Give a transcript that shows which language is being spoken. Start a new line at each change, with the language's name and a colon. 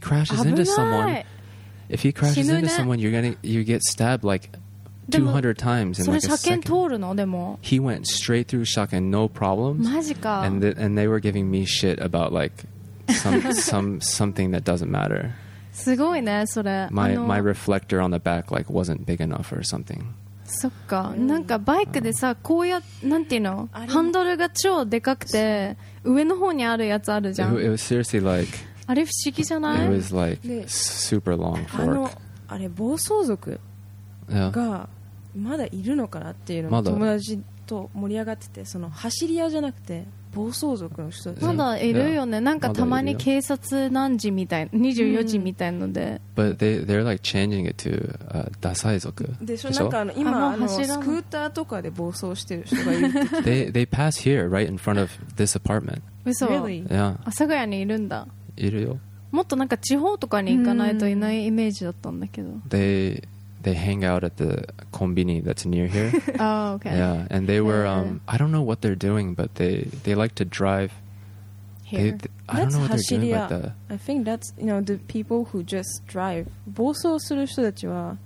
English: If he crashes into someone, you get stabbed like 200 times in like a second.
Japanese: それ車検通るの?でも。
English: He went straight through 車検, no problems.
Japanese: マジか。
English: And they were giving me shit about like something that doesn't matter.
Japanese: すごいね、それ。
English: My reflector on the back like wasn't big enough or something.
Japanese: そっか、なんかバイクでさ、こうやなんていうの、ハンドルが超でかくて上の方にあるやつあるじゃん。
English: It was seriously like
Japanese: あれ不思議じゃない
English: ？It was like super long fork.
Japanese: あれ暴走族がまだいるのかなっていうのを友達と盛り上がってて、その走り屋じゃなくて暴走族の人まだいるよね。なんかたまに警察何時みたい、24時みたいので。
English: But they're like changing it to ダサイ族。
Japanese: でしょ、なんかあの今あのスクーターとかで暴走してる人がいる。
English: They pass here right in front of this apartment. Really?
Japanese: 阿佐ヶ谷にいるんだ。いるよ。もっとなんか地方とかに行かないといないイメージだったんだけど。
English: They hang out at the konbini that's near here. Oh, okay. Yeah, and they were, I don't know what they're doing, but they like to drive. Here. I don't know what they're doing, but the... I think that's, you know, the people who just drive.
Japanese: 暴走する人たちは...